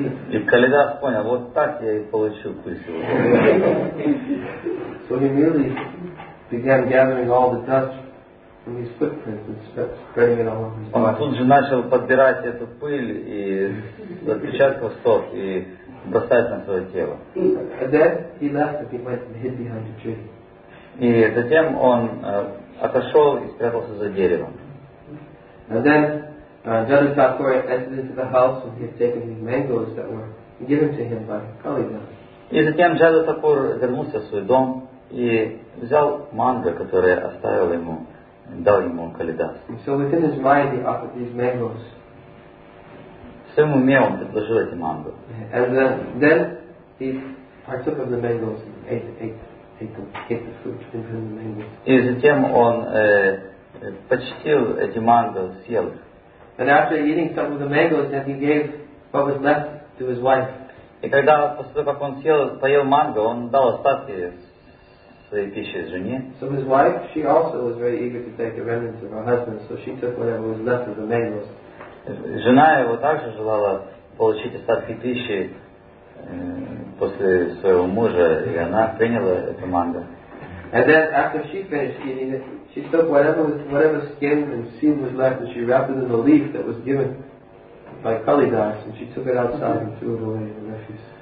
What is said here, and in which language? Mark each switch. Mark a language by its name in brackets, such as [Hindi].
[Russian] И Калидас понял, вот так я и получу пыль. [English] So he immediately began gathering all the dust from his footprints and spreading it all over his body. [Russian] Он тут же начал подбирать эту пыль и отпечатки стоп и бросать на свое тело. [English] And then he left and he went and hid behind a tree. [Russian] И затем он отошел и спрятался за деревом. [English] And then Jada Thakur entered into the house and he had taken the mangoes that were given to him by Kalidas. [Russian] И затем Jada Thakur вернулся в свой дом и взял манго, которое оставил ему, дал ему Калидас. [English] So within his mind he offered these mangoes. [Russian] В своем уме он предложил эти манго. [English] And then he partook of the mangoes and ate the fruit. [Russian] И затем он почтил эти манго, съел их. [English] And after eating some of the mangoes, then he gave what was left to his wife. [Russian] И когда после того, как он съел, поел манго, он дал остатки своей пищи жене. [English] So his wife, she also was very eager to take the remnants of her husband, so she took whatever was left of the mangoes. [Russian] Жена его также желала получить остатки пищи после своего мужа, и она приняла эту манго. [English] And then after she finished eating it, she took whatever skin and seed was left and she wrapped it in the leaf that was given by Kalidas and she took it outside and threw it away in the refuse.